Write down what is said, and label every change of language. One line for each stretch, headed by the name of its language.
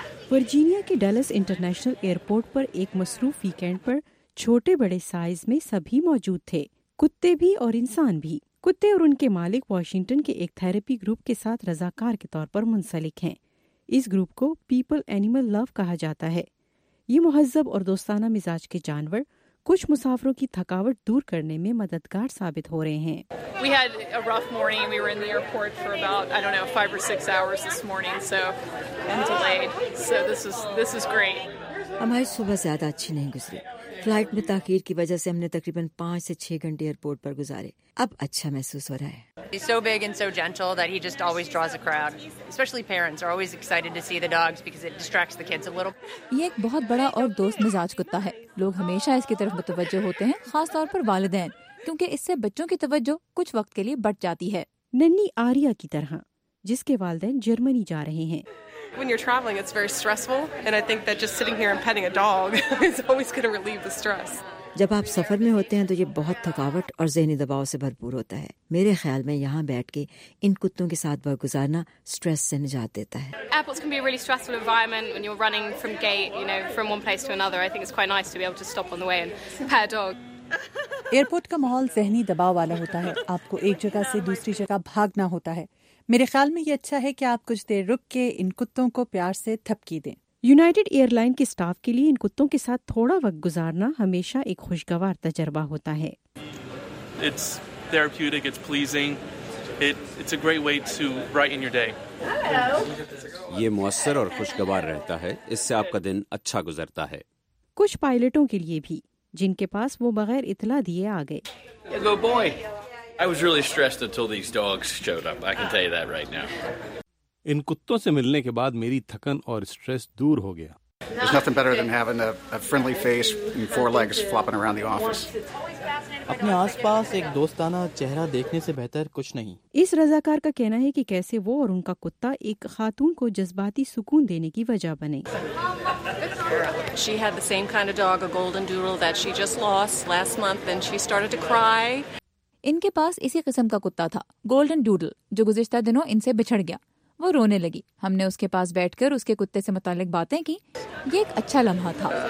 Urdu: Virginia کے deals international airport پر ایک مصروف ویکینڈ پر چھوٹے بڑے سائز میں سبھی موجود تھے، کتے بھی اور انسان بھی۔ کتے اور ان کے مالک واشنگٹن کے ایک تھراپی گروپ کے ساتھ رضاکار کے طور پر منسلک ہیں۔ اس گروپ کو پیپل اینیمل لو کہا جاتا ہے۔ یہ مہذب اور دوستانہ مزاج کے جانور کچھ مسافروں کی تھکاوٹ دور کرنے میں مددگار ثابت ہو رہے ہیں۔
English: We had a rough morning. We were in the airport for about, I don't know, 5 or 6 hours this morning, so I'm delayed. So this is great.
Urdu: ہماری صبح زیادہ اچھی نہیں گزری۔ فلائٹ میں تاخیر کی وجہ سے ہم نے تقریباً 5 سے 6 گھنٹے ایئرپورٹ پر گزارے۔ اب اچھا محسوس ہو رہا ہے۔
English: He's so big and so gentle that he just always draws a crowd. Especially parents are always excited to see the dogs because it distracts the kids a little.
Urdu: یہ ایک بہت بڑا اور دوست مزاج کتا ہے۔ لوگ ہمیشہ اس کی طرف متوجہ ہوتے ہیں، خاص طور پر والدین، کیونکہ اس سے بچوں کی توجہ کچھ وقت کے لیے بٹ جاتی ہے۔ ننی آریا کی طرح، جس کے والدین جرمنی جا رہے ہیں۔
English: When you're traveling, it's very stressful, and I think that just sitting here and petting a dog is always going to relieve the stress.
Urdu: جب آپ سفر میں ہوتے ہیں تو یہ بہت تھکاوٹ اور ذہنی دباؤ سے بھرپور ہوتا ہے۔ میرے خیال میں یہاں بیٹھ کے ان کتوں کے ساتھ وقت گزارنا سٹریس سے نجات دیتا ہے۔
English: Airports can be a really stressful environment when you're running from gate, you know, from one place to another. I think it's quite nice to be able to stop on the way and pet a dog.
Urdu: Airport کا ماحول ذہنی دباؤ والا ہوتا ہے، آپ کو ایک جگہ سے دوسری جگہ بھاگنا ہوتا ہے۔ میرے خیال میں یہ اچھا ہے کہ آپ کچھ دیر رک کے ان کتوں کو پیار سے تھپکی دیں۔ یونائیٹڈ ایئر لائن کے اسٹاف کے لیے ان کتوں کے ساتھ تھوڑا وقت گزارنا ہمیشہ ایک خوشگوار تجربہ ہوتا ہے۔
English: It's therapeutic, it's pleasing. It's a great way to brighten your day.
Urdu: یہ مؤثر اور خوشگوار رہتا ہے، اس سے آپ کا دن اچھا گزرتا ہے۔ کچھ پائلٹوں کے لیے بھی جن کے پاس وہ بغیر اطلاع دیے آ گئے۔
English: Go boy. I was really stressed until these dogs showed up. I can tell you that right now.
Urdu: ان کتوں سے ملنے کے بعد میری تھکن اور سٹریس دور ہو گیا۔
English: There's nothing better than having a friendly face and four legs flopping around the office.
Urdu: اپنے آس پاس ایک دوستانہ چہرہ دیکھنے سے بہتر کچھ نہیں. اس رضاکار کا کہنا ہے کہ کیسے وہ اور ان کا کتا ایک خاتون کو جذباتی سکون دینے کی وجہ بنے.
English: She had the same kind of dog, a golden doodle that she just lost last month, and she started to cry.
Urdu: ان کے پاس اسی قسم کا کتا تھا, گولڈن ڈوڈل, جو گزشتہ دنوں ان سے بچھڑ گیا. وہ رونے لگی. ہم نے اس کے پاس بیٹھ کر اس کے کتے سے متعلق باتیں کی. یہ ایک اچھا لمحہ تھا.